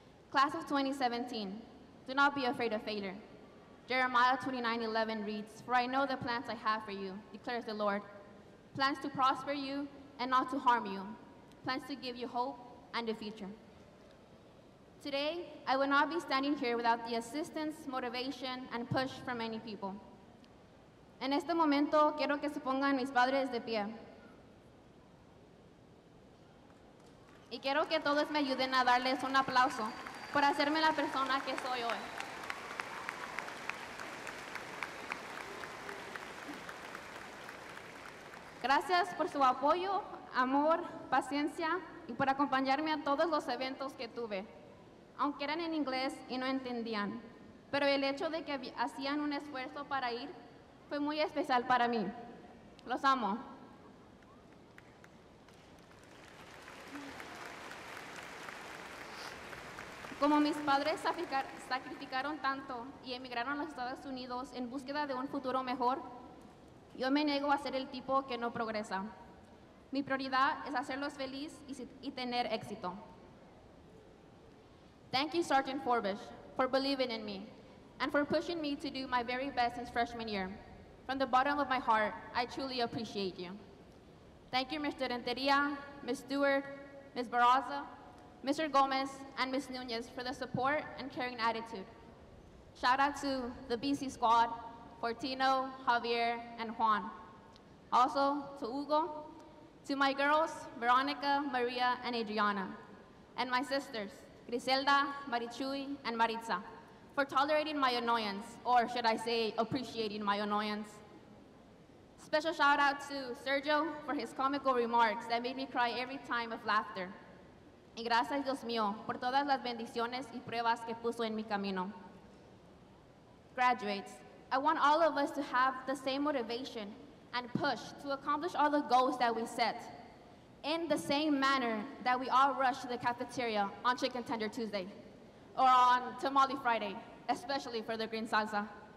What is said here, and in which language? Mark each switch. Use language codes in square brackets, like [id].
[en] Class of 2017, do not be afraid of failure. Jeremiah 29:11 reads, "For I know the plans I have for you, declares the Lord, plans to prosper you and not to harm you, plans to give you hope and a future." Today, I would not be standing here without the assistance, motivation, and push from many people. [es] En este momento, quiero que se pongan mis padres de pie. Y quiero que todos me ayuden a darles un aplauso por hacerme la persona que soy hoy. Gracias por su apoyo, amor, paciencia, y por acompañarme a todos los eventos que tuve. Aunque eran en inglés y no entendían, pero el hecho de que hacían un esfuerzo para ir fue muy especial para mí. Los amo. Como mis padres sacrificaron tanto y emigraron a los Estados Unidos en búsqueda de un futuro mejor, yo me niego a ser el tipo que no progresa. Mi prioridad es hacerlos feliz y tener éxito. [en] Thank you, Sergeant Forbush, for believing in me and for pushing me to do my very best since freshman year. From the bottom of my heart, I truly appreciate you. Thank you, Mr. Renteria, Ms. Stewart, Ms. Barraza, Mr. Gomez, and Ms. Nunez for the support and caring attitude. Shout out to the BC squad, Fortino, Javier, and Juan. Also to Hugo, to my girls, Veronica, Maria, and Adriana, and my sisters, Griselda, Marichuy, and Maritza, for tolerating my annoyance, or should I say, appreciating my annoyance. Special shout out to Sergio for his comical remarks that made me cry every time of laughter. [es] Y gracias, Dios mío, por todas las bendiciones y pruebas que puso en mi camino. [en] Graduates, I want all of us to have the same motivation and push to accomplish all the goals that we set, in the same manner that we all rush to the cafeteria on Chicken Tender Tuesday, or on Tamale Friday, especially for the green salsa.